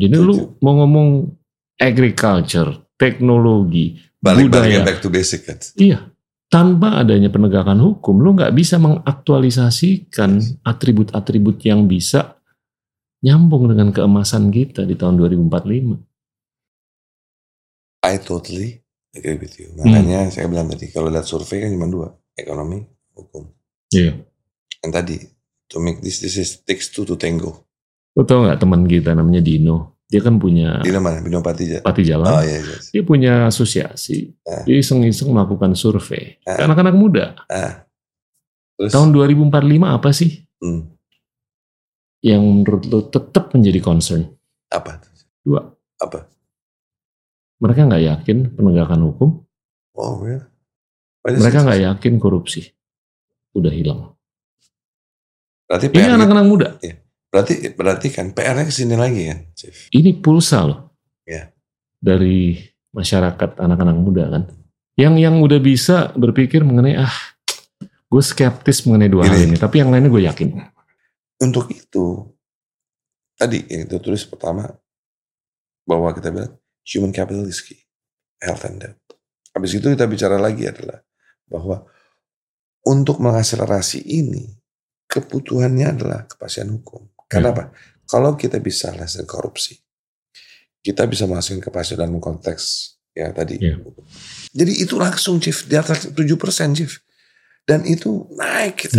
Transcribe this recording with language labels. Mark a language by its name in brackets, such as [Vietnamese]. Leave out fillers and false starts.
[Indonesian] Jadi lu mau ngomong agriculture, teknologi, budaya. [English] Back to basic. [Indonesian] Iya. Tanpa adanya penegakan hukum, lu gak bisa mengaktualisasikan atribut-atribut yang bisa nyambung dengan keemasan kita di tahun 2045. [English] I totally agree with you. [Indonesian] Makanya saya bilang tadi, kalau lihat survei kan cuma dua. Ekonomi, hukum. Iya. Dan tadi, [English] to make this, this is takes two to tango. [Indonesian] Lu tau gak teman kita namanya Dino? Dia kan punya Pati Jala. Oh, iya, iya. Dia punya asosiasi. Dia iseng-iseng melakukan survei. Anak-anak muda. Terus, tahun 2045 apa sih? Yang menurut lo tetap menjadi concern. Apa? Dua. Apa? Mereka gak yakin penegakan hukum. Oh, [English] really? [Indonesian] Mereka gak yakin korupsi. Udah hilang. Berarti ini anak-anak muda. Iya. Berarti kan PR-nya kesini lagi kan, Chief? Ini pulsa loh. Iya. Dari masyarakat anak-anak muda kan. Yang udah bisa berpikir mengenai, gue skeptis mengenai dua hal ini. Tapi yang lainnya gue yakin. Untuk itu, tadi yang itu tulis pertama, bahwa kita bilang, [English] human capital is key, health and debt. [Indonesian] Habis itu kita bicara lagi adalah bahwa untuk mengakselerasi ini, kebutuhannya adalah kepastian hukum. Kenapa? Kalau kita bisa [English] less than [Indonesian] korupsi, kita bisa menghasilkan kepastian dalam konteks ya tadi. Jadi itu langsung, Chief, di atas 7%, Chief. Dan itu naik. Gitu.